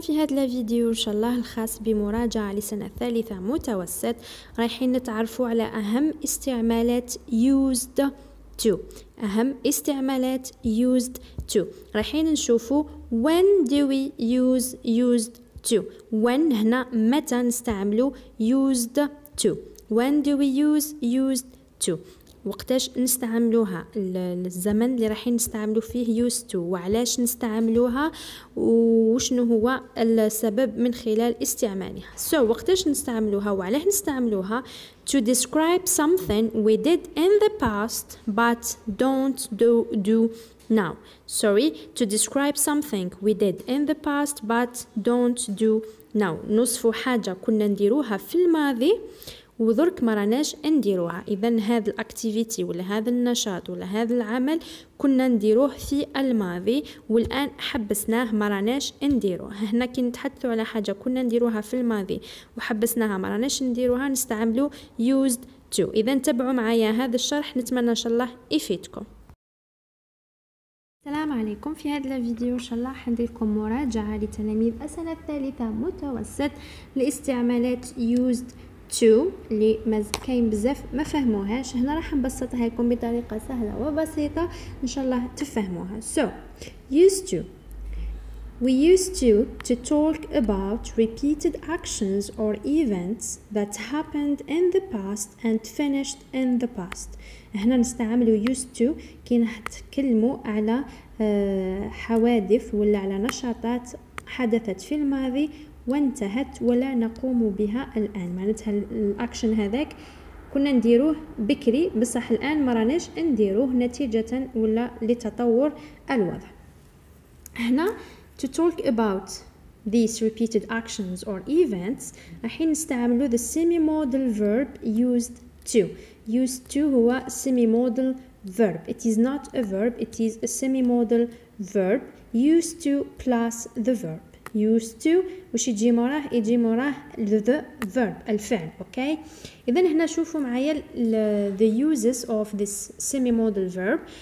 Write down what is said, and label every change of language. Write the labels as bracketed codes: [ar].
[ar] في هذا الفيديو إن شاء الله الخاص بمراجعة لسنة ثالثة متوسط رايحين نتعرفوا على أهم استعمالات used to. أهم استعمالات used to رايحين نشوفوا [en] when do we use used to. [ar] when هنا متى نستعملوا used to. [en] when do we use used to [ar] وقتاش نستعملوها الزمن اللي راحين نستعملو فيه used to وعلاش نستعملوها وشنو هو السبب من خلال استعمالها. [en] So [ar] وقتاش نستعملوها وعلاش نستعملوها [en] to describe something we did in the past but don't do now. Sorry, to describe something we did in the past but don't do now. [ar] نصف حاجة كنا نديروها في الماضي وذرك ما راناش نديروها. اذا هذا الاكتيفيتي ولا هذا النشاط ولا هذا العمل كنا نديروه في الماضي والان حبسناه ما راناش نديروه. هنا كي نتحدثوا على حاجه كنا نديروها في الماضي وحبسناها ما راناش نديروها نستعملوا used to. اذا تبعوا معايا هذا الشرح نتمنى ان شاء الله يفيدكم. السلام عليكم. في هذا الفيديو ان شاء الله حندير لكم مراجعه لتلاميذ السنه الثالثه متوسط لاستعمالات used to اللي كاين بزاف ما فهموهاش. هنا راح نبسطها لكم بطريقه سهله وبسيطه ان شاء الله تفهموها. [en] So used to, we used to talk about repeated actions or events that happened in the past and finished in the past. [ar] هنا نستعملوا used to كي نتكلموا على حوادث ولا على نشاطات حدثت في الماضي وانتهت ولا نقوم بها الان. معناتها الاكشن هذاك كنا نديروه بكري بصح الان ما راناش نديروه نتيجه ولا لتطور الوضع. [en] هنا to talk about these repeated actions or events [ar] راحين نستعملوا [en] the semi modal verb used to. used to هو semi modal verb. it is not a verb, it is a semi modal verb. used to plus the verb. [ar] used to وش يجي موراه؟ يجي موراه [en] the verb [ar] الفعل. اوكي اذا هنا شوفوا معايا [en] the uses of this semi modal verb.